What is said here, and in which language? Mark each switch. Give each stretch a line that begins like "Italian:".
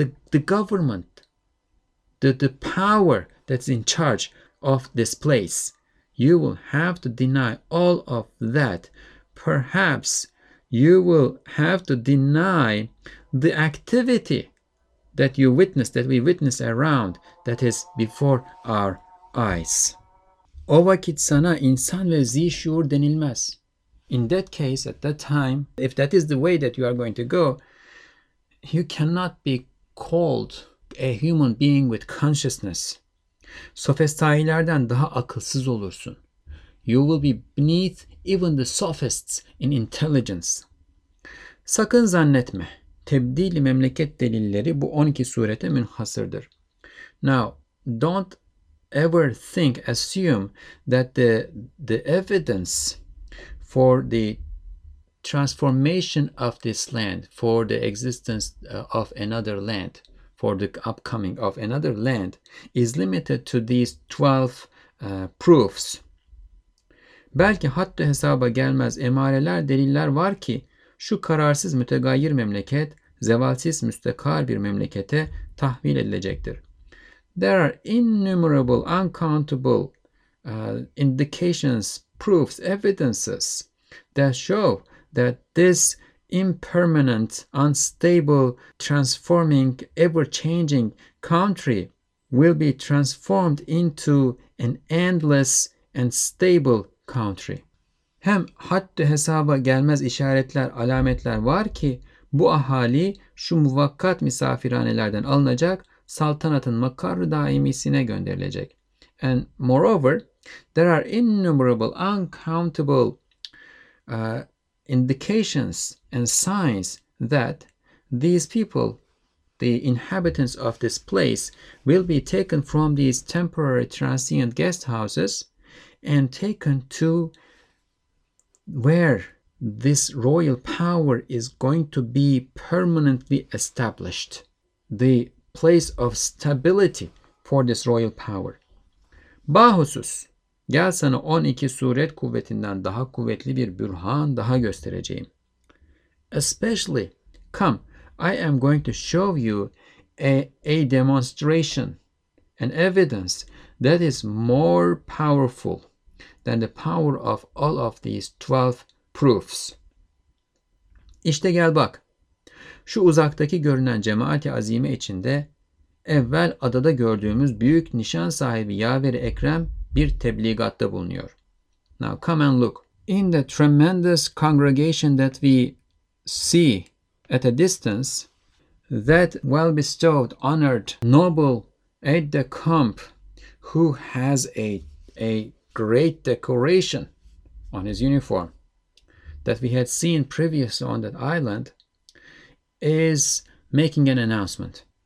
English: the government, the power that's in charge of this place, you will have to deny all of that. Perhaps you will have to deny the activity that you witness, that we witness around, that is before our eyes.
Turkish: O vakit sana insan ve zişur denilmez.
English: In that case, at that time, if that is the way that you are going to go, you cannot be called a human being with consciousness.
Turkish: Sofestailerden daha akılsız olursun.
English: You will be beneath even the sophists in intelligence.
Turkish: Sakın zannetme. Tebdil-i memleket delilleri bu 12 surete münhasırdır.
English: Now, don't ever think, assume that the evidence for the transformation of this land, for the existence of another land, for the upcoming of another land, is limited to these 12 proofs.
Turkish: Belki hatta hesaba gelmez emareler, deliller var ki, şu kararsız mütegayir memleket, zevalsiz müstekar bir memlekete tahvil edilecektir.
English: There are innumerable, uncountable indications, proofs, evidences that show that this impermanent, unstable, transforming, ever-changing country will be transformed into an endless and stable country.
Turkish: Hem haddi hesaba gelmez işaretler, alametler var ki bu ahali şu muvakkat misafirhanelerden alınacak, saltanatın makarı daimisine gönderilecek.
English: And moreover, there are innumerable, uncountable indications and signs that these people, the inhabitants of this place, will be taken from these temporary transient guest houses and taken to where this royal power is going to be permanently established, the place of stability for this royal power.
Turkish: Bahusus, gel sana 12 suret kuvvetinden daha kuvvetli bir bürhan daha göstereceğim.
English: Especially, come, I am going to show you a demonstration, an evidence that is more powerful than the power of all of these 12 proofs.
Turkish: İşte gel bak. Şu uzaktaki görünen cemaati azime içinde evvel adada gördüğümüz büyük nişan sahibi Yaver-i Ekrem bir tebligatta bulunuyor.
English: Now come and look. In the tremendous congregation that we see at a distance, that well-bestowed, honored, noble aide-de-camp who has a great decoration on his uniform that we had seen previously on that island is making an announcement.